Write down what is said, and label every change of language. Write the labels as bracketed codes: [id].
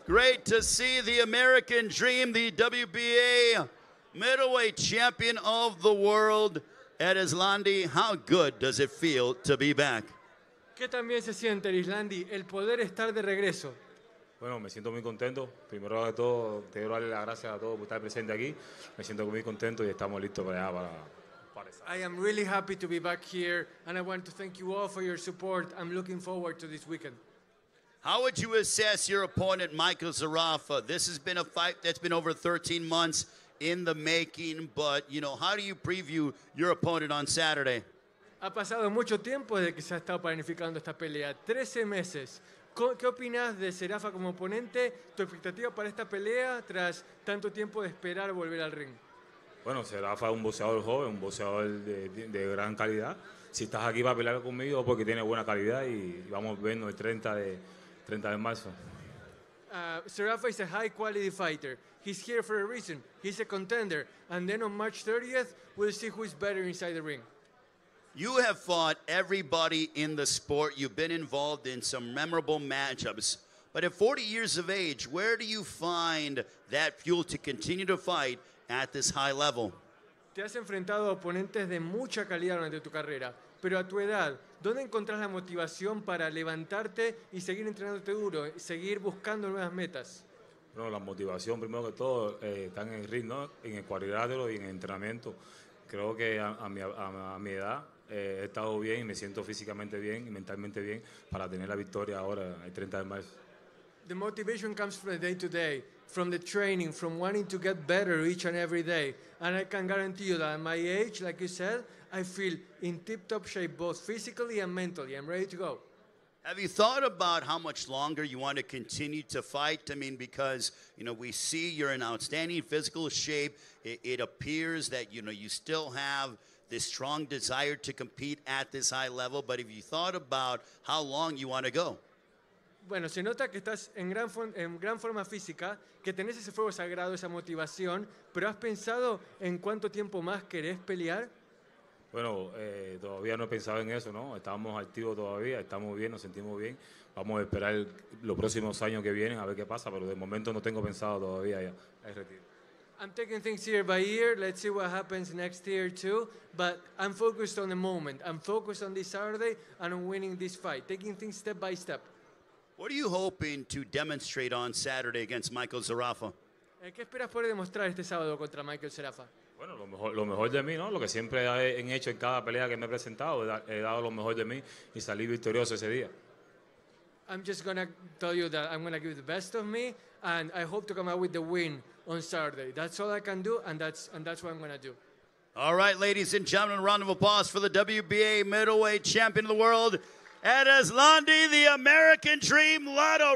[en] Great to see the American Dream, the WBA middleweight champion of the world. Edes Landi, how good does it feel to be back? [es] ¿Qué también se siente, Edes Landi, el poder estar de regreso? Bueno, me siento muy contento. Primero de todo, te quiero dar las gracias a todos por estar presente aquí. Me siento muy contento y estamos listos para... [en] I am really happy to be back here, and I want to thank you all for your support. I'm looking forward to this weekend. How would you assess your opponent, Michael Zarafa? This has been a fight that's been over 13 months in the making, but, you know, how do you preview your opponent on Saturday? [es] Ha pasado mucho tiempo desde que se ha estado planificando esta pelea. 13 meses. ¿Qué opinas de Zarafa como oponente? ¿Tu expectativa para esta pelea tras tanto tiempo de esperar volver al ring? Bueno, Zarafa es un boxeador joven, un boxeador de gran calidad. Si estás aquí para pelear conmigo es porque tiene buena calidad y vamos a vernos el 30 de marzo. [en] Zarafa is a high quality fighter. He's here for a reason. He's a contender. And then on March 30th, we'll see who is better inside the ring. You have fought everybody in the sport. You've been involved in some memorable matchups. But at 40 years of age, where do you find that fuel to continue to fight at this high level? [es] Te has enfrentado a oponentes de mucha calidad durante tu carrera, pero a tu edad, ¿dónde encontrás la motivación para levantarte y seguir entrenándote duro, seguir buscando nuevas metas? Bueno, la motivación, primero que todo, está en el ritmo, ¿no? En el cuadrilátero y en el entrenamiento. Creo que a mi edad he estado bien y me siento físicamente bien y mentalmente bien para tener la victoria ahora, el 30 de marzo. [en] The motivation comes from the day to day, from the training, from wanting to get better each and every day. And I can guarantee you that at my age, like you said, I feel in tip-top shape, both physically and mentally. I'm ready to go. Have you thought about how much longer you want to continue to fight? I mean, because, you know, we see you're in outstanding physical shape. It appears that, you know, you still have this strong desire to compete at this high level. But have you thought about how long you want to go? [es] Bueno, se nota que estás en gran forma física, que tenés ese fuego sagrado, esa motivación, pero ¿has pensado en cuánto tiempo más querés pelear? Bueno, todavía no he pensado en eso, ¿no? Estamos activos todavía, estamos bien, nos sentimos bien. Vamos a esperar los próximos años que vienen a ver qué pasa, pero de momento no tengo pensado todavía ya. Es retiro. [en] I'm taking things year by year. Let's see what happens next year too. But I'm focused on the moment. I'm focused on this Saturday and on winning this fight. Taking things step by step. What are you hoping to demonstrate on Saturday against Michael Zarafa? [es] ¿Qué esperas poder demostrar este sábado contra Michael Zarafa? Bueno, lo mejor de mí, ¿no? Lo que siempre he hecho en cada pelea que me he presentado, he dado lo mejor de mí y salí victorioso ese día. [en] I'm just going to tell you that I'm going to give the best of me and I hope to come out with the win on Saturday. That's all I can do and that's what I'm going to do. All right, ladies and gentlemen, a round of applause for the WBA middleweight champion of the world, Edeslandi, the American Dream Lotto.